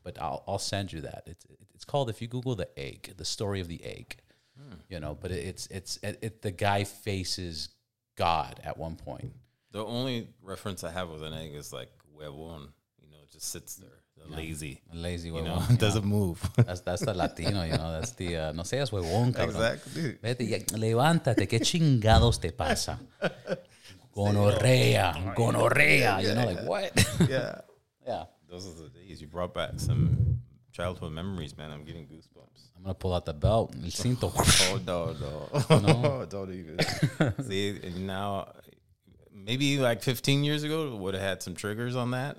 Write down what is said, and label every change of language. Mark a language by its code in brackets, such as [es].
[en] But I'll send you that. It's called, if you Google the egg, the story of the egg, you know. But it's the guy faces God at one point. The only reference I have with an egg is like huevón, you know, just sits there. Lazy [es] huevón, [en] you know, doesn't move. That's the Latino, you know. That's the [es] no seas huevón, cabrón. [en] Exactly. [es] Vete, levántate, qué chingados te pasa. [en] Gonorrea, yeah, you know, like what? Yeah. Those are the days. You brought back some childhood memories, man. I'm getting goosebumps. I'm gonna pull out the belt. [es] El cinto. [en] No. Don't even. See, and now, maybe like 15 years ago, would have had some triggers on that.